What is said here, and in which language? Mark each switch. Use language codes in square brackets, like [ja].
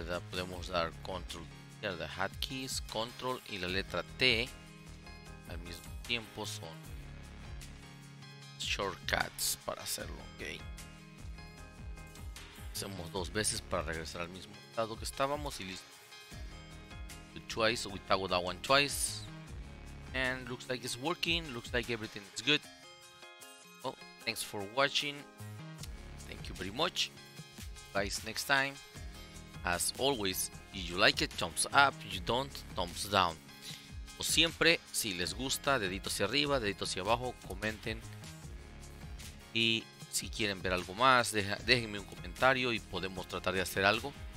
[es] Podemos dar control de hotkeys, control y la letra T al mismo tiempo son shortcuts para hacerlo. Okay. Hacemos dos veces para regresar al mismo estado que estábamos y listo. [en] Do twice, so we toggle that one twice. And looks like it's working, looks like everything is good. Oh, thanks for watching. Thank you very much. Guys, next time. As always, if you like it, thumbs up, if you don't, thumbs down. [es] O siempre, si les gusta, dedito hacia arriba, dedito hacia abajo, comenten. Y si quieren ver algo más, déjenme un comentario y podemos tratar de hacer algo.